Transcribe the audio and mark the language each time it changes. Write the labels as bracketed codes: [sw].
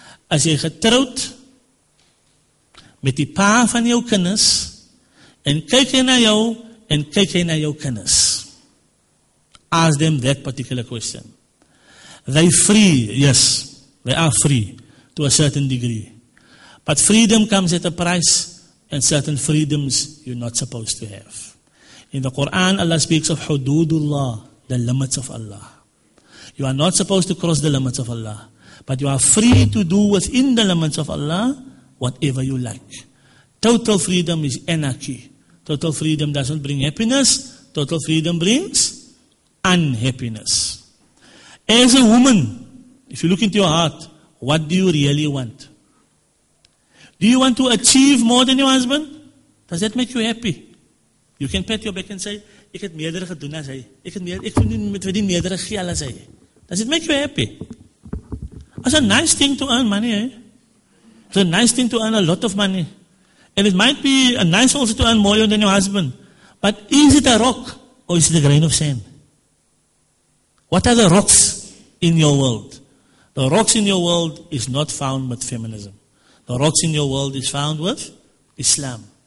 [af] As you getrouwd met die pa van jou kinders en kyk hy na jou en kyk hy na jou kinders. [en] Ask them that particular question. They free, yes, they are free to a certain degree. But freedom comes at a price and certain freedoms you're not supposed to have. In the Quran, Allah speaks of hududullah, the limits of Allah. You are not supposed to cross the limits of Allah. But you are free to do within the limits of Allah whatever you like. Total freedom is anarchy. Total freedom doesn't bring happiness. Total freedom brings unhappiness. As a woman, if you look into your heart, what do you really want? Do you want to achieve more than your husband? Does that make you happy? You can pat your back and say, [af] ik het meerdere gedoen as hy. Ik het meerdere geel as hy. [en] Does it make you happy? It's a nice thing to earn money, eh? It's a nice thing to earn a lot of money. And it might be a nice also to earn more than your husband. But is it a rock or is it a grain of sand? What are the rocks in your world? The rocks in your world is not found with feminism. The rocks in your world is found with Islam.